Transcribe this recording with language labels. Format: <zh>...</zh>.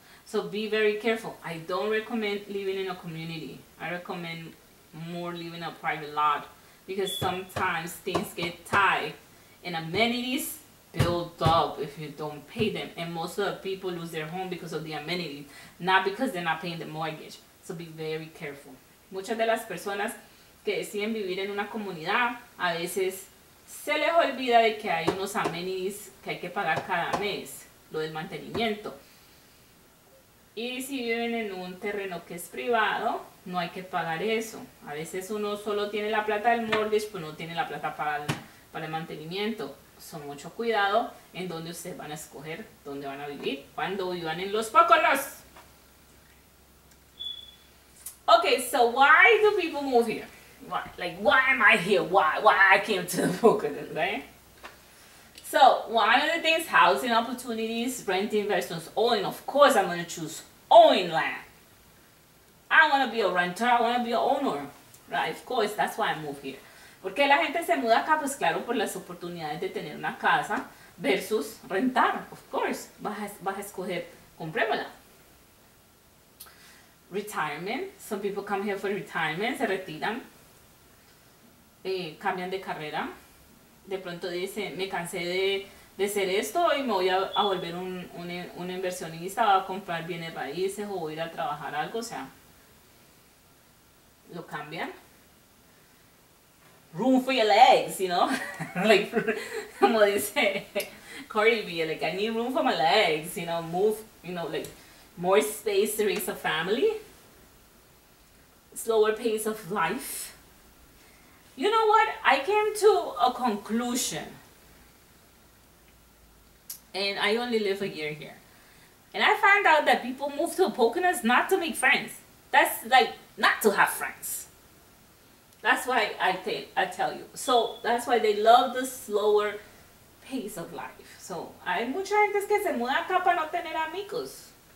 <en>So be very careful. I don't recommend living in a community. I recommend more living in a private lot, because sometimes things get tight and amenities build up if you don't pay them. And most of the people lose their home because of the amenities, not because they're not paying the mortgage. So be very careful.</en> <es>Muchas de las personas que deciden vivir en una comunidad, a veces se les olvida de que hay unos amenities que hay que pagar cada mes, lo del mantenimiento. Y si viven en un terreno que es privado, no hay que pagar eso. A veces uno solo tiene la plata del mortgage, pero no tiene la plata para el mantenimiento. Son mucho cuidado en donde ustedes van a escoger dónde van a vivir cuando vivan en los Poconos.</es> <en>Okay, so why do people move here? Why? Like, why am I here? Why I came to the Poconos, right? So, one of the things, housing opportunities, renting versus owning. Of course, I'm going to choose owning land. I want to be a renter. I want to be an owner, right? Of course, that's why I moved here.</en> <es>¿Por qué la gente se muda acá? Pues claro, por las oportunidades de tener una casa versus rentar.</es> <en>Of course,</en> <es>vas a escoger, comprémosla.</es> <en>Retirement. Some people come here for retirement,</en> <es>se retiran. cambian de carrera. De pronto dice, me cansé de ser esto y me voy a volver un inversionista, voy a comprar bienes raíces o voy a ir a trabajar algo, o sea, lo cambian.</es> <en>Room for your legs, you know? Like,</en> <es>como dice</es> <en>Cardi B, like, I need room for my legs, you know, move, you know, like, more space to raise a family, slower pace of life. You know what? I came to a conclusion. And I only live a year here. And I found out that people move to Poconos not to make friends. That's like, not to have friends. That's why I tell you. So that's why they love the slower pace of life.</en> <es>So hay mucha gente que se muda acá para no tener amigos.</es>